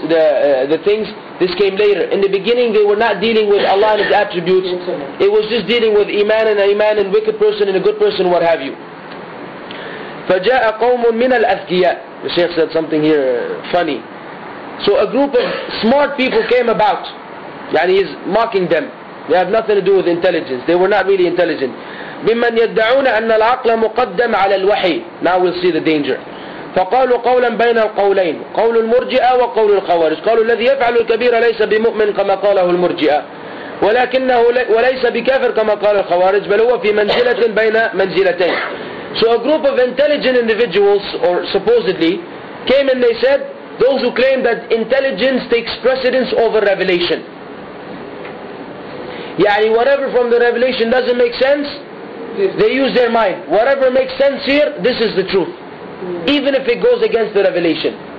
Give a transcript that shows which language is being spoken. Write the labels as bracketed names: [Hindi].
[English] The things, this came later. In the beginning, they were not dealing with Allah and His attributes. It was just dealing with Iman and Iman and wicked person and a good person, what have you. [Arabic] فجاء قوم من الأذكياء. [English] The Shaykh said something here funny. So a group of smart people came about. يعني he's mocking them. They have nothing to do with intelligence. They were not really intelligent. [Arabic] بمن يدعون أن العقل مقدم على الوحي. [English] Now we'll see the danger. [Arabic] فقالوا قولا بين القولين. قول المرجئة وقول الخوارج. قالوا الذي يفعل الكبير ليس بمؤمن كما قاله المرجئة. ولكنه وليس بكافر كما قال الخوارج. بل هو في منزلة بين منزلتين. [English] So a group of intelligent individuals, or supposedly, came and they said, those who claim that intelligence takes precedence over revelation. يعني whatever from the revelation doesn't make sense, they use their mind. Whatever makes sense here, this is the truth. Even if it goes against the revelation.